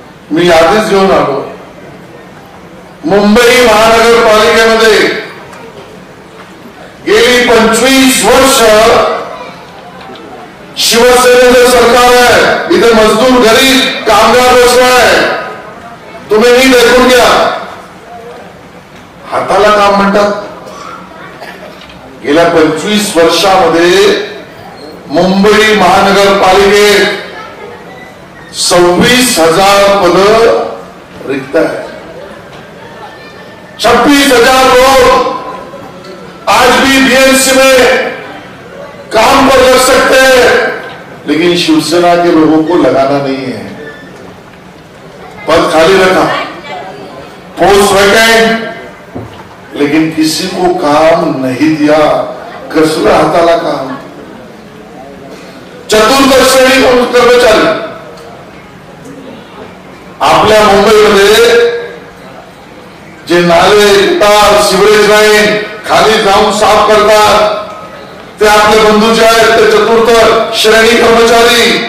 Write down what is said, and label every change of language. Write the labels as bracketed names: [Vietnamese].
[Marathi] मी आधीच घेऊन आलो मुंबई महानगरपालिकेमध्ये गेली 25 वर्ष शिवसेनेचं सरकार आहे, इथे मजदूर गरीब कामगार बसलाय, तुम्ही नीट ऐकून घ्या, हाताला काम म्हणतात। गेल्या 25 वर्षामध्ये मुंबई महानगरपालिकेत 26,000 पद रिक्त आहे, [Hindi] 26,000 लोग आज भी बीएमसी में काम पर लग सकते हैं, लेकिन शिवसेना के लोगों को लगाना नहीं है, पद खाली रखा, पोस्ट वैकेंट, लेकिन किसी को काम नहीं दिया, [Marathi] कसल हाताला काम। चतुर्थ श्रेणी कर्मचारी आपल्या मुंबईमध्ये जे नाले उतार सिवरेज लाईन खाली जाऊन साफ करतात ते आपले बंधू जे आहेत ते चतुर्थ श्रेणी कर्मचारी,